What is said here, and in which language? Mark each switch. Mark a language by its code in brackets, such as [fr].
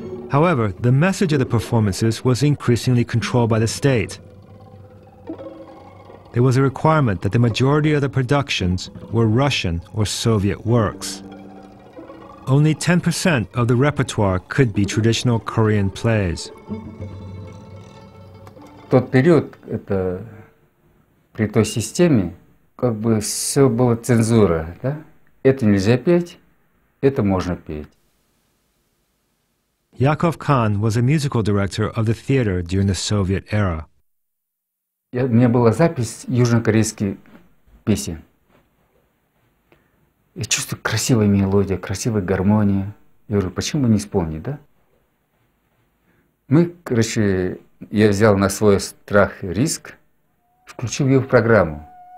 [en] However, the message of the performances was increasingly controlled by the state. There was a requirement that the majority of the productions were Russian or Soviet works. Only 10% of the repertoire could be traditional Korean plays. [ru] В тот период, это при той системе, как бы все было цензура, да? Это нельзя петь, это можно петь. [en] Яков Кан was a musical director of the theater during the Soviet era. [ru] У меня была запись южнокорейских песен. Я чувствую красивую мелодию, красивую гармонию. Я говорю, почему бы не исполнить, да? Мы, короче, я взял на свой страх и риск, включил ее в программу.